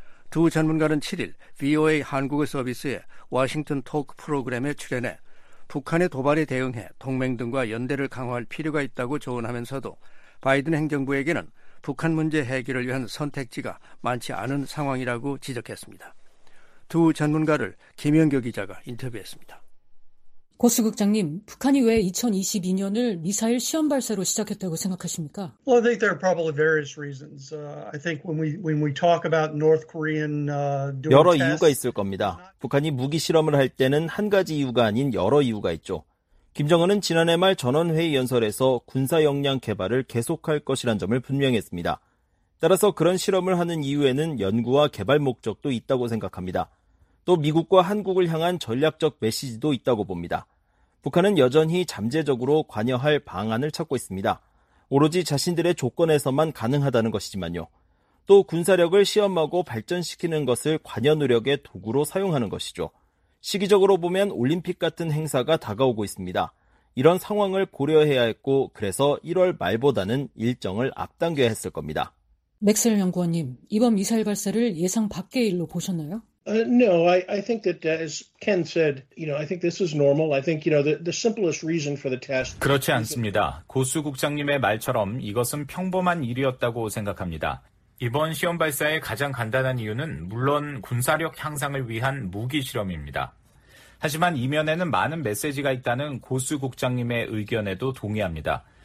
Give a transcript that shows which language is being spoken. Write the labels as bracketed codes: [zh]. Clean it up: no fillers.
[ko] 두 전문가는 7일 VOA 한국 서비스의 워싱턴 토크 프로그램에 출연해 북한의 도발에 대응해 동맹 등과 연대를 강화할 필요가 있다고 조언하면서도 바이든 행정부에게는 북한 문제 해결을 위한 선택지가 많지 않은 상황이라고 지적했습니다. 두 전문가를 김연교 기자가 인터뷰했습니다. 고수 국장님, 북한이 왜 2022년을 미사일 시험 발사로 시작했다고 생각하십니까? [en] Well, I think there are probably various reasons. I think when we talk about North Korean [ko] 여러 이유가 있을 겁니다. 북한이 무기 실험을 할 때는 한 가지 이유가 아닌 여러 이유가 있죠. 김정은은 지난해 말 전원회의 연설에서 군사 역량 개발을 계속할 것이란 점을 분명했습니다. 따라서 그런 실험을 하는 이유에는 연구와 개발 목적도 있다고 생각합니다. 또 미국과 한국을 향한 전략적 메시지도 있다고 봅니다. 북한은 여전히 잠재적으로 관여할 방안을 찾고 있습니다. 오로지 자신들의 조건에서만 가능하다는 것이지만요. 또 군사력을 시험하고 발전시키는 것을 관여 노력의 도구로 사용하는 것이죠. 시기적으로 보면 올림픽 같은 행사가 다가오고 있습니다. 이런 상황을 고려해야 했고 그래서 1월 말보다는 일정을 앞당겨야 했을 겁니다. 맥셀 연구원님, 이번 미사일 발사를 예상 밖의 일로 보셨나요? [en] No, I think that as Ken said, you know, I think this is normal. I think, you know, the simplest reason for the test. [ko] 그렇지 않습니다. 고수 국장님의 말처럼 이것은 평범한 일이었다고 생각합니다. 이번 시험 발사의 가장 간단한 이유는 물론 군사력 향상을 위한 무기 실험입니다. 하지만 이면에는 많은 메시지가 있다는 고수 국장님의 의견에도 동의합니다.